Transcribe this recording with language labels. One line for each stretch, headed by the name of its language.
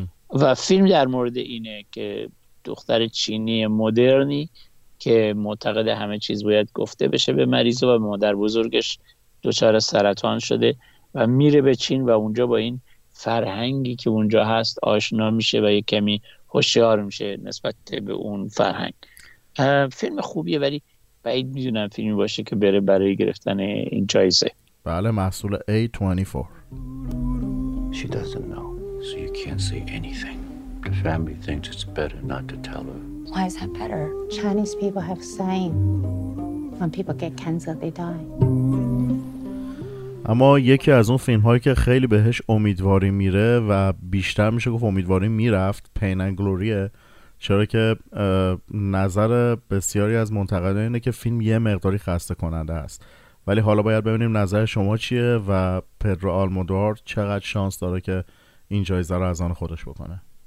Persian: و فیلم در مورد اینه که دختر چینی مدرنی که معتقد همه چیز باید گفته بشه به مریض و مادر بزرگش دچار سرطان شده و میره به چین و اونجا با این فرهنگی که اونجا هست آشنا میشه و یک کمی هوشیار میشه نسبت به اون فرهنگ. فیلم خوبیه ولی بعید میدونم فیلمی باشه که بره برای گرفتن این جایزه. بله، محصول A24.
English: She doesn't know, so you can't say anything. The family thinks it's better not to tell her. Why is that better? Chinese people have saying when people get cancer they die.
Persian: اما یکی از اون فیلم هایی که خیلی بهش امیدواری میره و بیشتر میشه گفت امیدواری میرفت Pain and Glory‌ه، چرا که نظر بسیاری از منتقدان اینه که فیلم یه مقداری خسته کننده است. ولی حالا باید ببینیم نظر شما چیه و پدرو آلمودوار چقدر شانس داره که این جایزه رو از آن خودش بکنه.